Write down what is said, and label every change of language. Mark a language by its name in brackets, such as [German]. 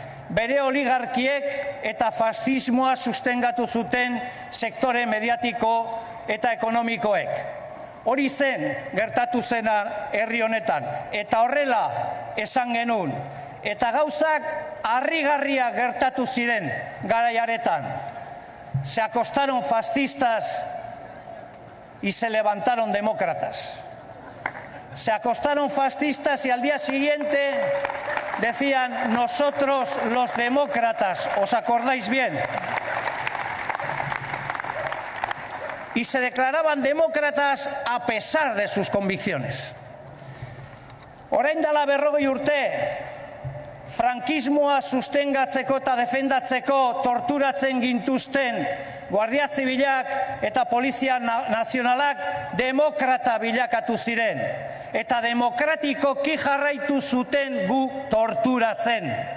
[Basque] Bere oligarkiek eta fascismoa sustengatu zuten sektore mediatiko eta ekonomikoek. Hori zen gertatu zena herri honetan. Eta horrela esan genuen. Eta gauzak harrigarria gertatu ziren garaiaretan. [Spanish] Se acostaron fascistas y se levantaron demócratas. Se acostaron fascistas y al día siguiente decían nosotros los demócratas. ¿Os acordáis bien? Y se declaraban demócratas a pesar de sus convicciones. [Basque] Orain dela 40 urte, frankismoa sustengatzeko eta defendatzeko torturatzen gintuzten Guardia Zibilak eta Polizia Nazionalak demokrata bilakatu ziren. Eta demokratikoki jarraitu zuten gu torturatzen.